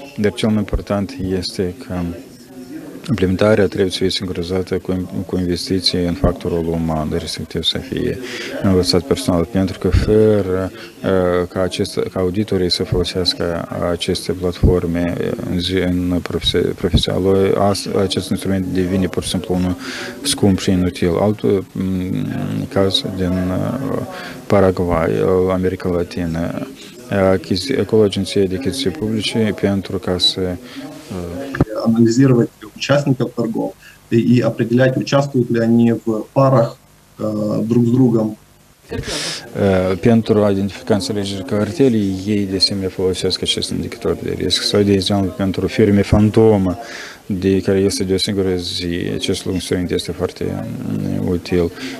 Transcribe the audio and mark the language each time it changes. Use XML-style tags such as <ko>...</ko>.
<ro>Dar cel mai important este că implementarea trebuie să fie sincronizată cu investiții în factorul uman, respectiv să fie învățat personal, pentru că fără ca auditorii să folosească aceste platforme în profesia acest instrument devine pur și simplu unul scump și inutil. Altul caz din Paraguay, America Latină, acolo agenția de achiziții publice pentru ca să</ro> <ru>analizировать участников торгов и определять, участвуют ли они в парах друг с другом.</ru> <ro>Pentru a identifica înțelegeri cartelii, ei de asemenea folosesc acest indicator de risc. Sau, de exemplu, pentru firme fantomă, de care este de o singură zi, acest instrument este foarte util.</ro>